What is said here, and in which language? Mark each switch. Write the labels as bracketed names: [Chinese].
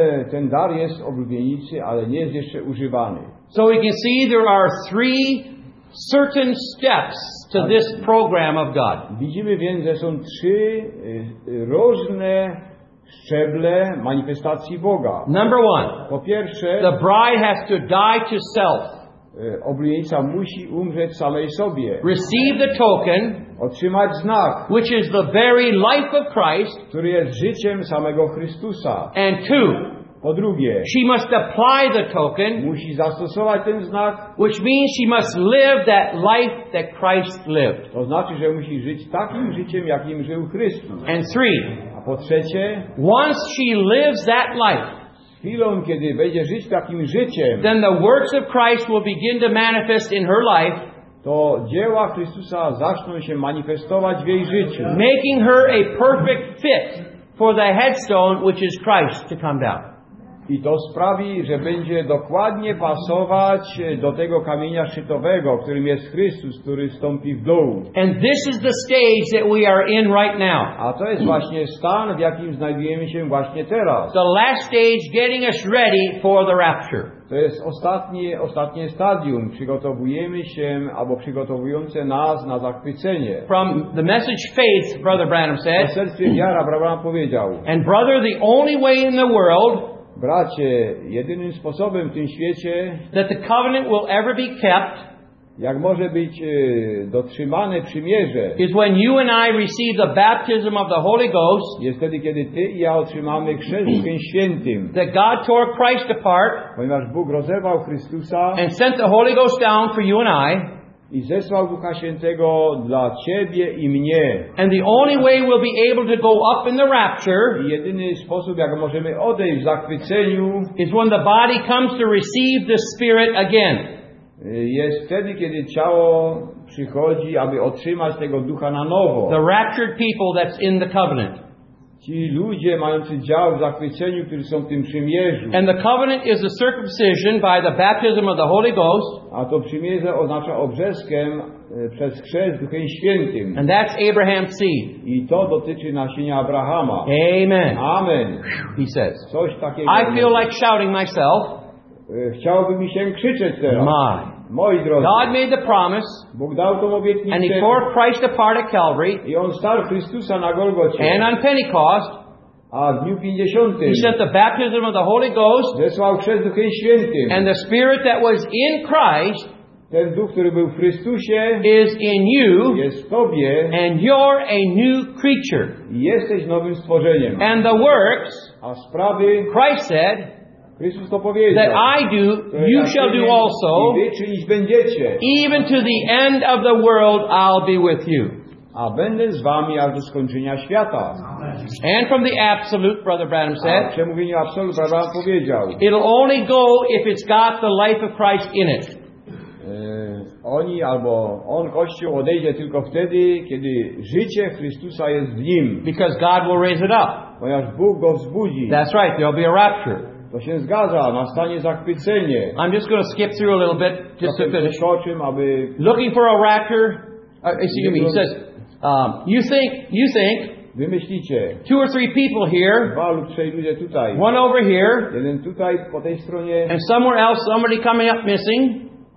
[Polish] Ten dar jest oblubienicy, ale nie jest jeszcze używany. [English] So we can see there are three certain steps to this program of God. [Polish] Widzimy więc, że są trzy różne szczeble manifestacji Boga. [English] Number one. [Polish] Po pierwsze, [English] the bride has to die to self. [Polish] Oblubienica musi umrzeć samej sobie. [English] Receive the token, [Polish] otrzymać znak, [English] which is the very life of Christ, [Polish] który jest życiem samego Chrystusa. [English] And two. [Polish] Po drugie, [English] she must apply the token, [Polish] musi zastosować ten znak, [English] which means she must live that life that Christ lived. [Polish] To znaczy, że musi żyć takim życiem, jakim żył Chrystus. [English] And three, [Polish] a po trzecie, [English] once she lives that life, [Polish] chwilą, kiedy będzie żyć takim życiem, [English] then the works of Christ will begin to manifest in her life, [Polish] to dzieła Chrystusa zaczną się manifestować w jej życiu, [English] making her a perfect fit for the headstone, which is Christ, to come down. [Polish] I to sprawi, że będzie dokładnie pasować do tego kamienia szczytowego, którym jest Chrystus, który stąpi w dół. [English] And this is the stage that we are in right now. [Polish] A to jest właśnie stan, w jakim znajdujemy się właśnie teraz. [English] The last stage getting us ready for the rapture. [Polish] To jest ostatnie stadium. Przygotowujemy się, albo przygotowujące nas na zachwycenie. [English] From the message faith, Brother Branham said. [Polish] W sercu wiara, Brother Branham powiedział. [English] And brother, the only way in the world, [Polish] bracie, jedynym sposobem w tym świecie, [English] that the covenant will ever be kept, [Polish] jak może być dotrzymane przymierze, [English] is when you and I receive the baptism of the Holy Ghost, [Polish] jest wtedy, kiedy ty i ja otrzymamy chrzest Duchem Świętym, [English] that God tore Christ apart, [Polish] ponieważ Bóg rozerwał Chrystusa, [English] and sent the Holy Ghost down for you and I, [Polish] i zesłał Ducha Świętego dla ciebie i mnie. [English] And the only way we'll be able to go up in the rapture, [Polish] i jedyny sposób, jak możemy odejść w zachwyceniu, [English] is when the body comes to receive the Spirit again. [Polish] Jest wtedy, kiedy ciało przychodzi, aby otrzymać tego Ducha na nowo. [English] The raptured people that's in the covenant. [Polish] Ci ludzie mający dział w zachwyceniu, którzy są w tym przymierzu. [English] And the covenant is the circumcision by the baptism of the Holy Ghost. [Polish] A to przymierze oznacza obrzeskiem przez chrzest Duchem Świętym. [English] And that's Abraham's seed. [Polish] I to dotyczy nasienia Abrahama. [English] Amen. [Polish] Amen. [English] He says. [Polish] Coś takiego. [English] I feel like shouting myself. [Polish] Chciałbym mi się krzyczeć teraz. [English] My. [Polish] Moi drodzy, [English] God made the promise, [Polish] Bóg dał tą obietnicę, [English] and he tore Christ apart at Calvary, [Polish] i on stał Chrystusa na Golgocie, [English] and on Pentecost, [Polish] a w dniu 50. [English] he sent the baptism of the Holy Ghost, [Polish] zesłał chrzest Duchem Świętym, [English] and the Spirit that was in Christ, [Polish] Ten duch, który był w Chrystusie, [English] is in you, [Polish] jest w tobie, [English] and you're a new creature. [Polish] Jesteś nowym stworzeniem. [English] And the works, [Polish] a sprawy, [English] Christ said, [Polish] Chrystus to powiedział, [English] that I do, you shall do also, [Polish] i wy czynić będziecie. [English] Even to the end of the world, I'll be with you. [Polish] A będę z wami aż do skończenia świata. [English] And from the absolute, Brother Branham said, [Polish] a przemówienie absolutne, Brother Branham powiedział, [English] it'll only go if it's got the life of Christ in it. [Polish] Oni albo on Kościół odejdzie tylko wtedy, kiedy życie Chrystusa jest w nim. [English] Because God will raise it up. [Polish] Ponieważ Bóg go wzbudzi. [English] That's right, there'll be a rapture. [Polish] To się zgadza, nastanie zachwycenie. [English] I'm just going to skip through a little bit, just to finish. [Polish] Przeskoczym, aby... [English] Looking for a rapture, excuse me, he says, you think, [Polish] wy myślicie, [English] two or three people here, [Polish] dwa lub trzej ludzie tutaj, [English] one over here, [Polish] jeden tutaj po tej stronie, [English] and somewhere else somebody coming up missing.